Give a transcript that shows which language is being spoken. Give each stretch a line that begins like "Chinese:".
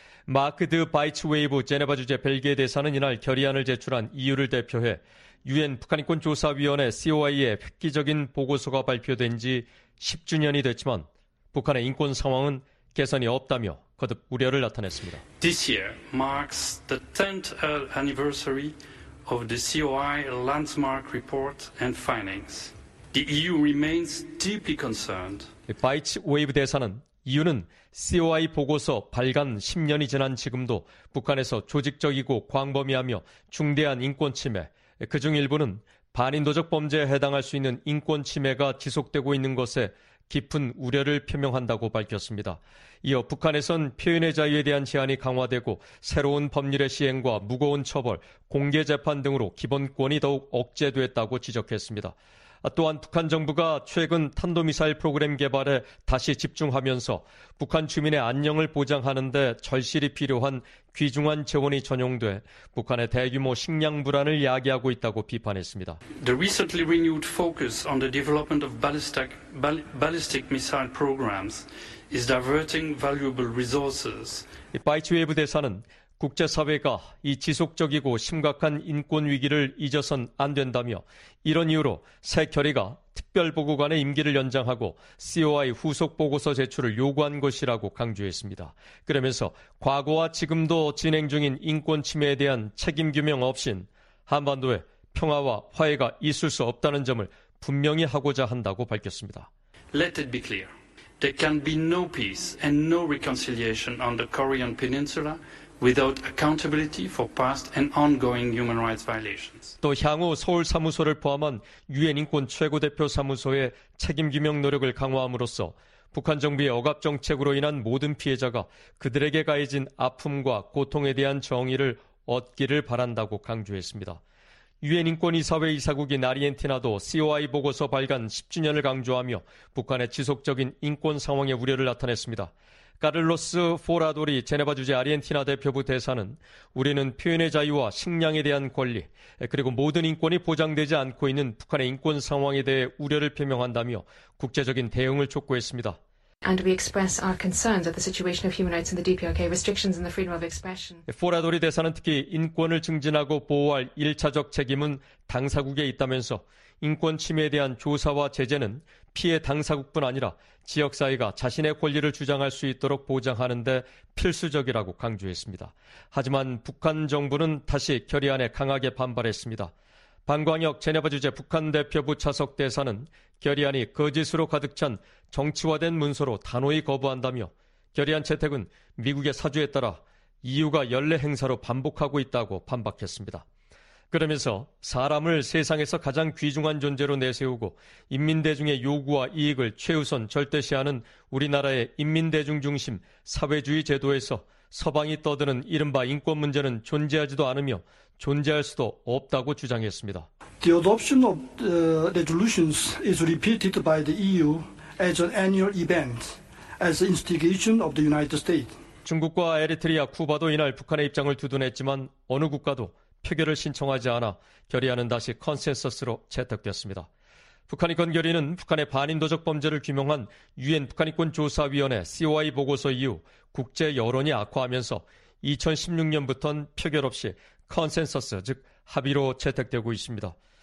Korean: 마크 드 바이츠웨이브 제네바 주재 벨기에 대사는 이날 결의안을 제출한 EU를 대표해 유엔 북한인권조사위원회 COI의 획기적인 보고서가 발표된 지 10주년이 됐지만 북한의 인권 상황은 개선이 없다며 거듭 우려를 나타냈습니다.
English: This year marks the 10th anniversary of the COI landmark report and findings. The EU remains deeply concerned.
Korean: 바이츠웨이브 대사는 이유는 COI 보고서 발간 10년이 지난 지금도 북한에서 조직적이고 광범위하며 중대한 인권침해, 그중 일부는 반인도적 범죄에 해당할 수 있는 인권침해가 지속되고 있는 것에 깊은 우려를 표명한다고 밝혔습니다. 이어 북한에선 표현의 자유에 대한 제한이 강화되고 새로운 법률의 시행과 무거운 처벌, 공개재판 등으로 기본권이 더욱 억제됐다고 지적했습니다. 또한 북한 정부가 최근 탄도미사일 프로그램 개발에 다시 집중하면서 북한 주민의 안녕을 보장하는 데 절실히 필요한 귀중한 재원이 전용돼 북한의 대규모 식량 불안을 야기하고 있다고 비판했습니다.
English: The recently renewed focus on the development of ballistic missile programs is diverting valuable resources.
Korean: 바이츠웨이브 대사는 국제사회가 이 지속적이고 심각한 인권 위기를 잊어선 안 된다며 이런 이유로 새 결의가 특별보고관의 임기를 연장하고 COI 후속 보고서 제출을 요구한 것이라고 강조했습니다. 그러면서 과거와 지금도 진행 중인 인권 침해에 대한 책임 규명 없인 한반도에 평화와 화해가 있을 수 없다는 점을 분명히 하고자 한다고 밝혔습니다.
English: Let it be clear. There can be no peace and no reconciliation on the Korean Peninsula without accountability for past and ongoing human rights violations.
Korean: 또 향후 서울 사무소를 포함한 유엔 인권 최고 대표 사무소의 책임 규명 노력을 강화함으로써 북한 정부의 억압 정책으로 인한 모든 피해자가 그들에게 가해진 아픔과 고통에 대한 정의를 얻기를 바란다고 강조했습니다. 유엔 인권 이사회 이사국인 아르헨티나도 COI 보고서 발간 10주년을 강조하며 북한의 지속적인 인권 상황에 우려를 나타냈습니다. 카를로스 포라도리 제네바 주재 아르헨티나 대표부 대사는 우리는 표현의 자유와 식량에 대한 권리, 그리고 모든 인권이 보장되지 않고 있는 북한의 인권 상황에 대해 우려를 표명한다며 국제적인 대응을 촉구했습니다.
English: And we express our concerns at the situation of human rights in the DPRK, restrictions in the freedom of expression.
Korean: 포라도리 대사는 특히 인권을 증진하고 보호할 일차적 책임은 당사국에 있다면서 인권 침해에 대한 조사와 제재는 피해 당사국뿐 아니라 지역사회가 자신의 권리를 주장할 수 있도록 보장하는 데 필수적이라고 강조했습니다. 하지만 북한 정부는 다시 결의안에 강하게 반발했습니다. 방광혁 제네바 주재 북한 대표부 차석 대사는 결의안이 거짓으로 가득 찬 정치화된 문서로 단호히 거부한다며 결의안 채택은 미국의 사주에 따라 이유가 연례 행사로 반복하고 있다고 반박했습니다. 그러면서 사람을 세상에서 가장 귀중한 존재로 내세우고 인민대중의 요구와 이익을 최우선 절대시하는 우리나라의 인민대중 중심 사회주의 제도에서 서방이 떠드는 이른바 인권 문제는 존재하지도 않으며 존재할 수도 없다고 주장했습니다.
English: The adoption of the resolutions is repeated by the EU as an annual event, as an instigation of the United States.
Korean: 중국과 에리트리아, 쿠바도 이날 북한의 입장을 두둔했지만 어느 국가도 표결을 신청하지 않아 결의안은 다시 컨센서스로 채택됐습니다. 북한이 건 결의는 북한의 반인도적 범죄를 규명한 유엔 북한인권조사위원회 COI 보고서 이후 국제 여론이 악화하면서 2016년부터는 표결 없이 컨센서스, 즉 합의로 채택되고 있습니다.